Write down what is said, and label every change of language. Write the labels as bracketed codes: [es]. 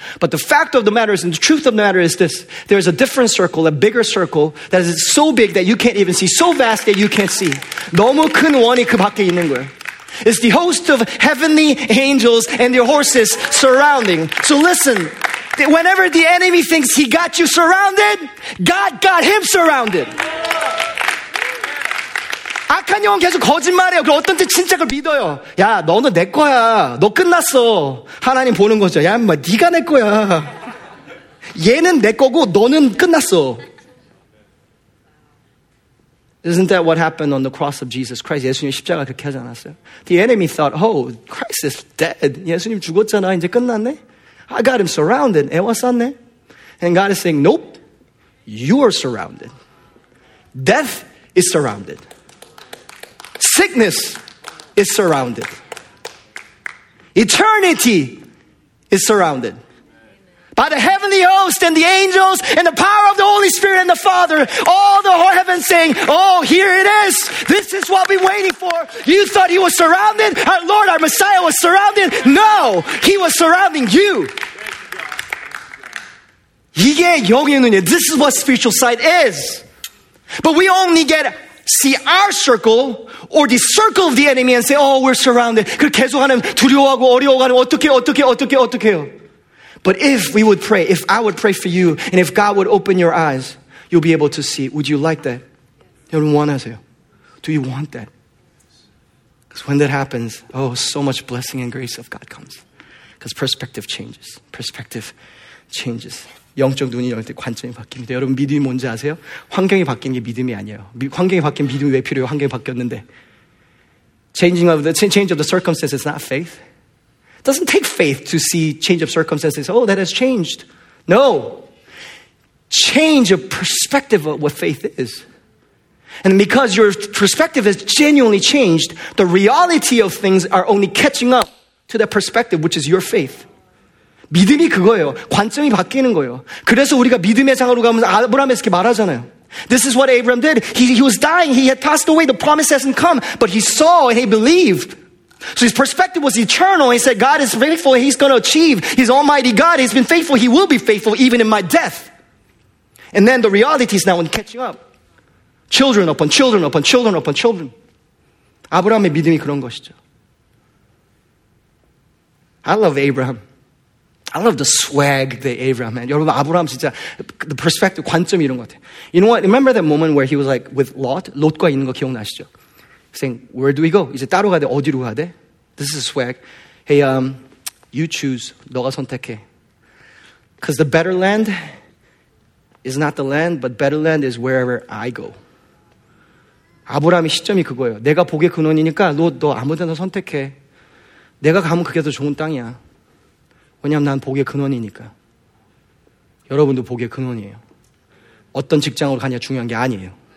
[en] But the fact of the matter is, and the truth of the matter is this, there is a different circle, a bigger circle, that is so big that you can't even see, so vast that you can't see. [ko] 너무 큰 원이 그 밖에 있는 거예요. [en] It's the host of heavenly angels and their horses surrounding. So listen, whenever the enemy thinks he got you surrounded, God got him surrounded. [ko] 악한 영혼 계속 거짓말해요. 그럼 어떤 때 진짜 그걸 믿어요. 야, 너는 내 거야. 너 끝났어. 하나님 보는 거죠. 야, 인마, 네가 내 거야. 얘는 내 거고 너는 끝났어. [en] Isn't that what happened on the cross of Jesus Christ? [ko] 예수님 십자가 그렇게 하지 않았어요? [en] The enemy thought, oh, Christ is dead. [ko] 예수님 죽었잖아. 이제 끝났네. [en] I got him surrounded. [ko] 애와 쌌네. [en] And God is saying, nope, you are surrounded. Death is surrounded. Sickness is surrounded. Eternity is surrounded. By the heavenly host and the angels and the power of the Holy Spirit and the Father, all the whole heaven saying, oh, here it is. This is what we've been waiting for. You thought he was surrounded? Our Lord, our Messiah was surrounded? No, he was surrounding you. [ko] 이게 영의 눈이에요. [en] This is what spiritual sight is. But we only get see our circle or the circle of the enemy and say, oh, we're surrounded. [ko] 그걸 계속하는 두려워하고 어려워하는 어떻게 어떻게 어떻게 어떻게요. [en] But if we would pray, if I would pray for you, and if God would open your eyes, you'll be able to see. Would you like that? [ko] 여러분 원하세요? [en] Do you want that? Because when that happens, oh, so much blessing and grace of God comes. Because perspective changes. Perspective changes. [ko] 영적 눈이 열릴 때 관점이 바뀝니다. 여러분 믿음이 뭔지 아세요? 환경이 바뀐 게 믿음이 아니에요. 환경이 바뀐 믿음이 왜 필요해요? 환경이 바뀌었는데. [en] Change of the circumstances is not faith. It doesn't take faith to see change of circumstances. Oh, that has changed. No. Change of perspective of what faith is. And because your perspective has genuinely changed, the reality of things are only catching up to that perspective, which is your faith. [ko] 믿음이 그거예요. 관점이 바뀌는 거예요. 그래서 우리가 믿음의 장으로 가면 아브라함에게 말하잖아요. [en] This is what Abraham did. He was dying. He had passed away. The promise hasn't come. But he saw and he believed. So his perspective was eternal. He said, God is faithful. He's going to achieve. He's almighty God. He's been faithful. He will be faithful even in my death. And then the reality is now in catching up. Children upon children upon children upon children. [ko] 아브라함의 믿음이 그런 것이죠. [en] I love Abraham. I love the swag that Abraham had. [ko] 여러분, 아브라함 진짜 [en] the perspective, [ko] 관점이 이런 것 같아요. [en] You know what? Remember that moment where he was like with Lot? [ko] 롯과 있는 거 기억나시죠? [en] Saying, where do we go? [ko] 이제 따로 가야 돼? [en] 어디로 가야 돼? This is swag. Hey, you choose. [ko] 너가 선택해. [en] Because the better land is not the land, but better land is wherever I go. [ko] 아브라함의 시점이 그거예요. 내가 복의 근원이니까 롯, 너 아무데나 선택해. 내가 가면 그게 더 좋은 땅이야. 왜냐하면 난 복의 근원이니까. 여러분도 복의 근원이에요. 어떤 직장으로 가냐 중요한 게 아니에요.